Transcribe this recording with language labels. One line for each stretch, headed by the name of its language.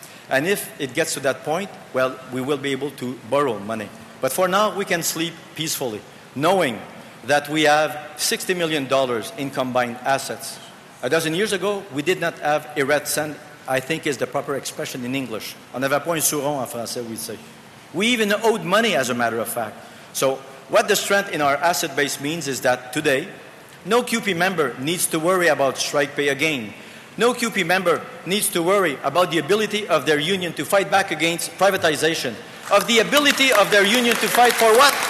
English: And if it gets to that point, well, we will be able to borrow money. But for now, we can sleep peacefully, knowing that we have $60 million in combined assets. A dozen years ago, we did not have a red cent, I think is the proper expression in English.
French: On n'avait pas un sou rond en français,
English: we say. We even owed money, as a matter of fact. So what the strength in our asset base means is that today, no QP member needs to worry about strike pay again. No QP member needs to worry about the ability of their union to fight back against privatization, of the ability of their union to fight for what?